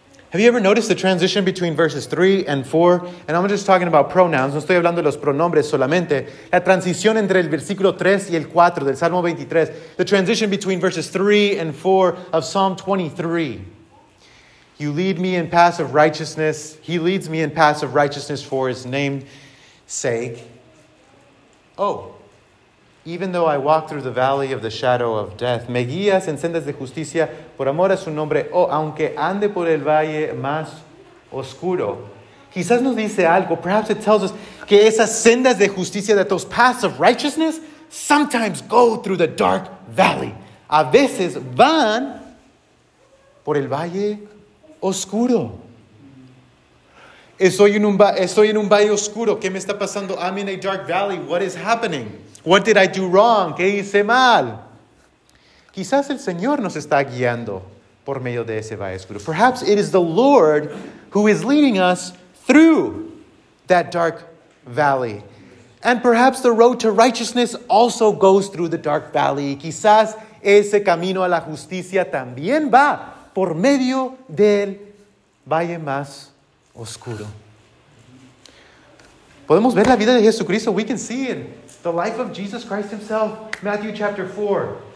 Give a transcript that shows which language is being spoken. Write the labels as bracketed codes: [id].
[en] Have you ever noticed the transition between verses 3 and 4? And I'm just talking about pronouns. [es] No estoy hablando de los pronombres solamente. La transición entre el versículo 3 y el 4 del Salmo 23. [en] The transition between verses 3 and 4 of Psalm 23. You lead me in paths of righteousness. He leads me in paths of righteousness for his name's sake. Oh, even though I walk through the valley of the shadow of death, [es] me guías en sendas de justicia por amor a su nombre. O aunque ande por el valle más oscuro. Quizás nos dice algo. [en] Perhaps it tells us [es] que esas sendas de justicia, [en] that those paths of righteousness, sometimes go through the dark valley. [es] A veces van por el valle oscuro. Estoy en un valle oscuro. ¿Qué me está pasando? [en] I'm in a dark valley. What is happening? What did I do wrong? [es] ¿Qué hice mal? Quizás el Señor nos está guiando por medio de ese valle oscuro. [en] Perhaps it is the Lord who is leading us through that dark valley. And perhaps the road to righteousness also goes through the dark valley. [es] Quizás ese camino a la justicia también va por medio del valle más oscuro. Podemos ver la vida de Jesucristo. [en] We can see it. The life of Jesus Christ himself, Matthew chapter 4.